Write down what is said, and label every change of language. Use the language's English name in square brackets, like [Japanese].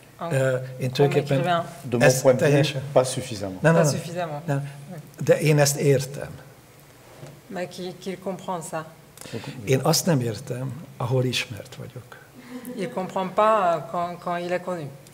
[French] De mon point de vue, pas suffisamment. [Hungarian] De én ezt értem. [French] Mais qui comprend ça? [Hungarian] Én azt nem értem, ahol ismert vagyok. [French] Il comprend pas quand il est connu.